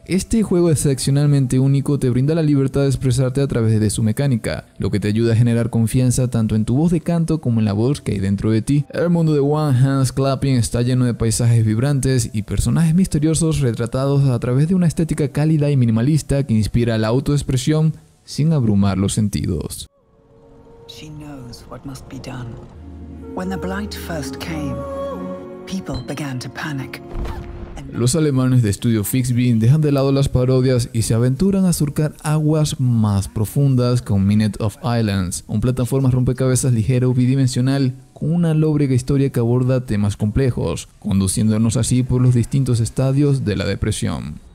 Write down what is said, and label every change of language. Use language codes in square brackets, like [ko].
[es] Este juego excepcionalmente único te brinda la libertad de expresarte a través de su mecánica, lo que te ayuda a generar confianza tanto en tu voz de canto como en la voz que hay dentro de ti. El mundo de One Hands Clapping está lleno de paisajes vibrantes y personajes misteriosos retratados a través de una estética cálida y minimalista que inspira la autoexpresión sin abrumar los sentidos. [en] She knows what must be done. When the blight first came, people began to panic. [es] Los alemanes de Studio Fixbin dejan de lado las parodias y se aventuran a surcar aguas más profundas con Minute of Islands, un plataforma rompecabezas ligero bidimensional con una lóbrega historia que aborda temas complejos, conduciéndonos así por los distintos estadios de la depresión.